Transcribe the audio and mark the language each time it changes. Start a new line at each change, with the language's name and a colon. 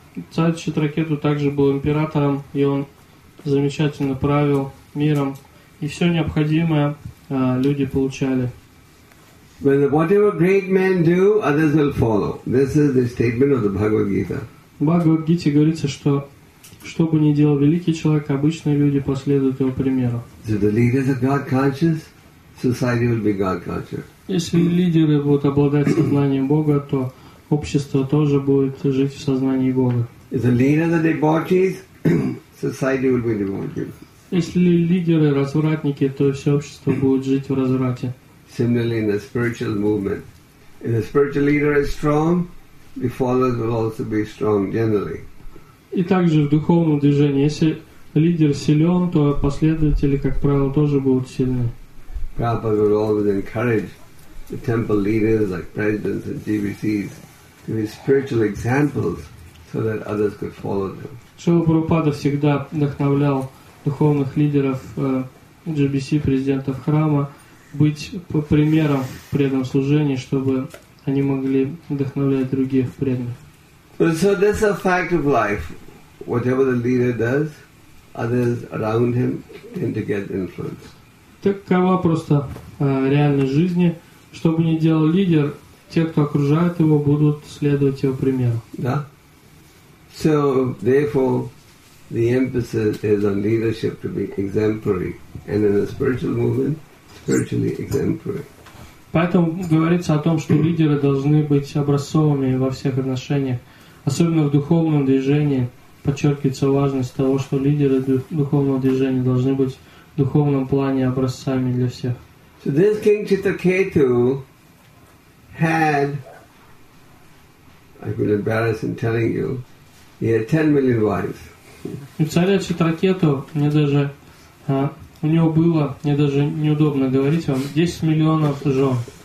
Russian: Царь Читракету также был императором, и он замечательно правил миром, и все необходимое люди получали.
English: When whatever great men do, others will follow. This is the statement of the Bhagavad Gita.
Russian: В Бхагавад Гите говорится, что что бы ни делал великий человек, обычные люди последуют его примеру.
English: So the leaders are God conscious, society will be God conscious.
Russian: Если лидеры будут обладать сознанием Бога, то общество тоже будет жить в сознании Бога.
English: If the leaders are debauchees, society will be debauchees.
Russian: Если лидеры развратники, то все общество будет жить в разврате.
English: Similarly, in the spiritual movement, if the spiritual leader is strong, the followers will also be strong generally.
Russian: И также в духовном движении, если лидер силен, то последователи, как правило, тоже будут сильны.
English: Prabhupada would always encourage the temple leaders, like presidents and GVCs, to be spiritual examples so that others could follow them.
Russian: Шрила Прабхупада всегда вдохновлял духовных лидеров GBC, президентов храма, быть примером в преданном служении, чтобы они могли вдохновлять других преданных.
English: So that's a fact of life. Whatever the leader does, others around him tend to get influenced.
Russian: Такова просто реальность жизни. Что бы ни делал лидер, те, кто окружает его, будут следовать его примеру. Да.
English: So therefore, the emphasis is on leadership to be exemplary, and in a spiritual movement, spiritually exemplary.
Russian: Поэтому говорится о том, что лидеры должны быть образцовыми во всех отношениях. Особенно в духовном движении подчеркивается важность того, что лидеры духовного движения должны быть в духовном плане образцами для всех.
English: So this King Chitraketu had, I feel embarrassed in telling you, he had 10 million wives.
Russian: И царя Читракету, мне даже, у него было, мне даже неудобно говорить вам, 10 миллионов жен.